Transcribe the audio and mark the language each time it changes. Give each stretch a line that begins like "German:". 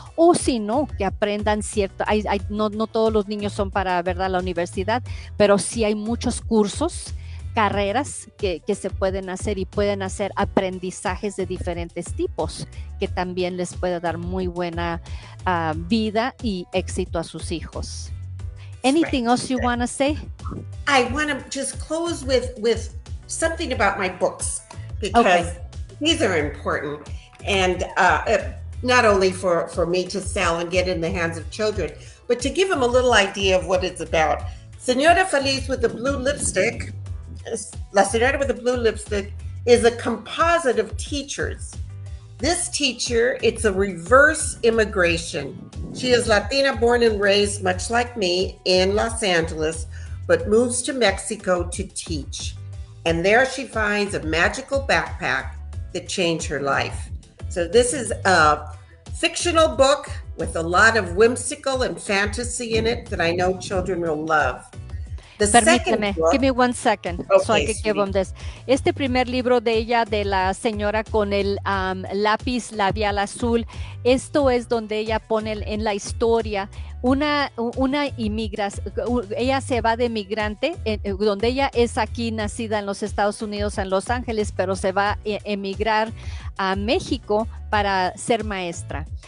Spanish: O si no, que aprendan cierto. No todos los niños son para, ¿verdad?, la universidad, pero sí hay muchos cursos, carreras que se pueden hacer, y pueden hacer aprendizajes de diferentes tipos, que también les puede dar muy buena vida y éxito a sus hijos.
English: Anything else you want to say? I want to just close with something about my books, because these are important, and not only for me to sell and get in the hands of children, but to give them a little idea of what it's about. Señora Feliz with the Blue Lipstick. La Señora with the Blue Lipstick is a composite of teachers. This teacher, it's a reverse immigration. She is Latina, born and raised, much like me, in Los Angeles, but moves to Mexico to teach. And there she finds a magical backpack that changed her life. So this is a fictional book with a lot of whimsical and fantasy in it that I know children will love. Permíteme, give me one second, okay, so I can sweetie. Give them this.
Spanish: Este primer libro de ella, de la señora con el lápiz labial azul, esto es donde ella pone en la historia una inmigración. Ella se va de migrante, donde ella es aquí nacida en los Estados Unidos, en Los Ángeles, pero se va a emigrar a México para ser maestra.